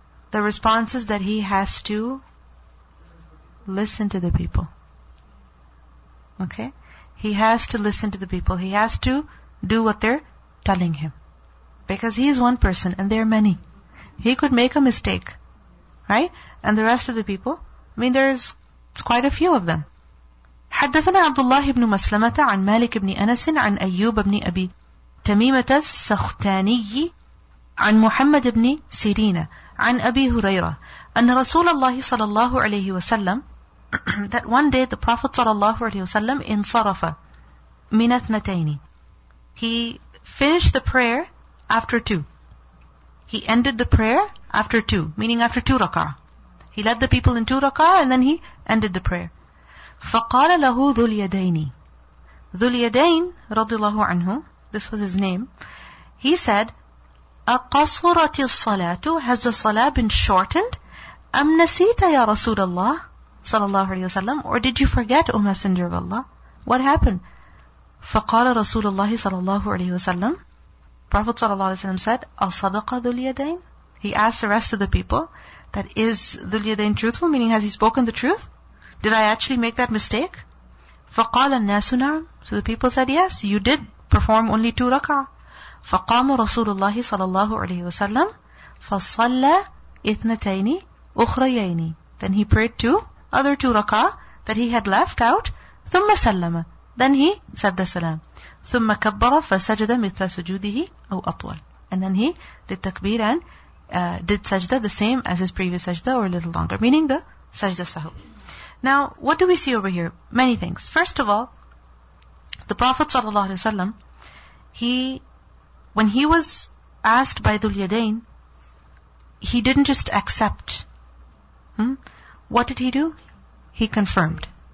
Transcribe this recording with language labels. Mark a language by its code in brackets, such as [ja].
[en] The response is that he has to listen to the people. Okay? He has to listen to the people. He has to do what they're telling him. Because he is one person and there are many. He could make a mistake. Right? And the rest of the people, I mean it's quite a few of them. [ar] حدثنا عبد الله بن مسلمة عن مالك بن أنس عن أيوب بن أبي تميمة السختاني عن محمد بن سيرين عن أبي هريرة أن رسول الله صلى الله عليه وسلم [en] that one day the Prophet صلى الله عليه وسلم [ar] انصرف من اثنتين. [en] He finished the prayer after two. He ended the prayer after two, meaning after two rak'ah. He led the people in two rak'ah and then he ended the prayer. [ar] فقال له ذو اليدين. [en] ذو اليدين رضي الله عنه, this was his name, he said, [ar] أقصرت الصلاة, [en] has the صلاة been shortened? [ar] أم نسيت يا رسول الله صلى الله عليه وسلم, [en] or did you forget, O Messenger of Allah? What happened? [ar] فقال رسول الله صلى الله عليه وسلم, [en] Prophet صلى الله عليه وسلم said, [ar] أصدق ذو اليدين? [en] He asked the rest of the people, that is ذو اليدين truthful, meaning has he spoken the truth? Did I actually make that mistake? [ar] فقال الناس نعم. [en] So the people said yes, you did perform only two rak'ah. [ar] فقام رسول الله صلى الله عليه وسلم فصلى اثنتين أخريين. [en] Then he prayed two other two rak'ah that he had left out. [ar] ثم سلم. [en] Then he said the salam. [ar] ثم كبر فسجد مثل سجوده أو أطول. [en] And then he did takbir and did sajda the same as his previous sajda or a little longer, meaning the sajda sahu. Now, what do we see over here? Many things. First of all, the Prophet ﷺ, when he was asked by Dhul Yadain, he didn't just accept. What did he do? He confirmed.